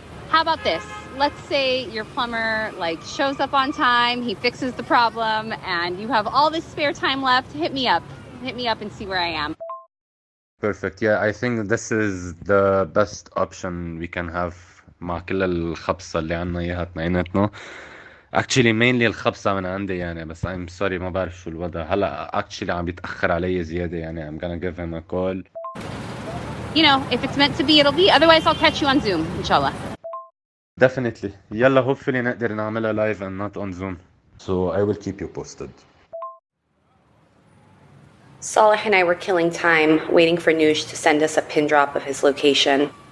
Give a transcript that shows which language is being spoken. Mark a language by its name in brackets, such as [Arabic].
[English] How about this? Let's say your plumber like shows up on time, he fixes the problem, and you have all this spare time left. Hit me up. Hit me up and see where I am. Perfect. Yeah, I think this is the best option we can have. [Arabic] مع كل الخبصة اللي عنا إياها اثنيناتنا. [English] Actually mainly [Arabic] الخبصة من عندي يعني, بس [English] I'm sorry [Arabic] ما بعرف شو الوضع هلا. [English] Actually [Arabic] عم بيتأخر علي زيادة يعني. [English] I'm gonna give him a call. You know, if it's meant to be, it'll be. Otherwise, I'll catch you on Zoom, inshallah. Definitely. [Arabic] يلا [English] hopefully [Arabic] نقدر نعملها [English] live and not on Zoom. So I will keep you posted. Saleh and I were killing time, waiting for Noosh to send us a pin drop of his location.